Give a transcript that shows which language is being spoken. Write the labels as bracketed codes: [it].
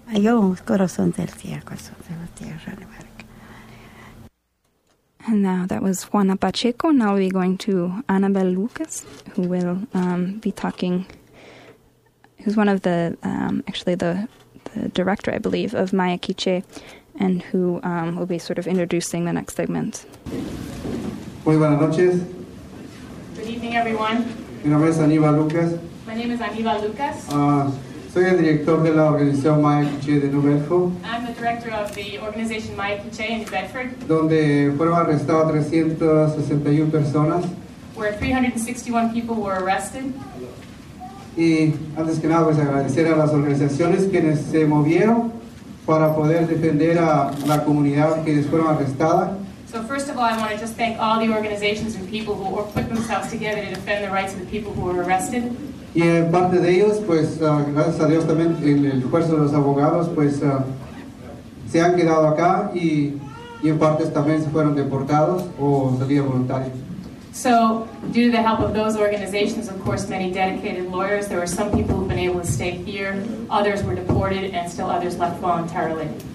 [es] Ayo, corazón del cielo, corazón de la tierra. [en] And now that was Juana Pacheco. Now we're going to Annabel Lucas, who will be talking, who's one of the, the director, I believe, of Maya Quiche, and who will be sort of introducing the next segment. [es] Muy buenas noches. [en] Good evening, everyone. [es] Mi nombre es Annabel Lucas. [en] My name is Aníbal Lucas. [es] Soy el director de la organización Maya Quiche de New Bedford. [en] I'm the director of the organization Maya Quiche in New Bedford. [es] Donde fueron arrestadas 361 personas. [en] Where 361 people were arrested. [es] Y antes que nada, pues agradecer a las organizaciones quienes se movieron para poder defender a la comunidad que les fueron arrestadas. [en] So first of all, I want to just thank all the organizations and people who put themselves together to defend the rights of the people who were arrested. [es] Y en parte de ellos, pues gracias a Dios también en el esfuerzo de los abogados, pues se han quedado acá y en partes también se fueron deportados o salieron voluntarios. [en] So, due to the help of those organizations, of course, many dedicated lawyers, there were some people who've been able to stay here, others were deported, and still others left voluntarily.